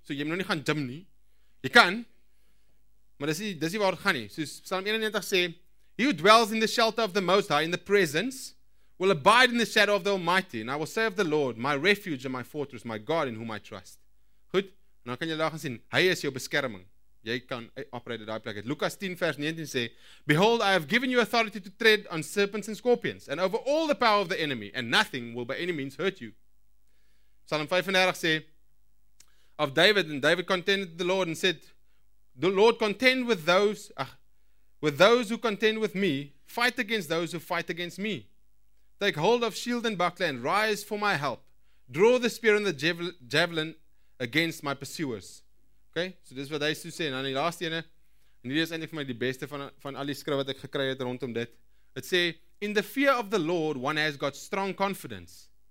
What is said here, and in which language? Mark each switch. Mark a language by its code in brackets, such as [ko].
[af] So jy moet nou nie gaan gym nie. Jy kan. Maar dis nie waar dit gaan nie. Soos Psalm 91 sê, [en] "He who dwells in the shelter of the Most High in the presence will abide in the shadow of the Almighty, and I will say of the Lord, my refuge and my fortress, my God in whom I trust." [af] Goed. Nou kan jy daar gaan sien, hy is jou beskerming. jy kan operate daai plek uit. Lukas 10 vers 19 sê, [en] "Behold, I have given you authority to tread on serpents and scorpions and over all the power of the enemy, and nothing will by any means hurt you." [af] Psalm 35 sê [en] of David, and David contended with the Lord and said, "The Lord contend with those who contend with me, fight against those who fight against me. Take hold of shield and buckler and rise for my help. Draw the spear and the javelin against my pursuers." Okay? [af] So dis wat hy sê, en dan die laaste ene, en hierdie is eintlik vir my die beste van al die skrif wat ek gekry het rondom dit. Dit sê, [en] "In the fear of the Lord one has got strong confidence."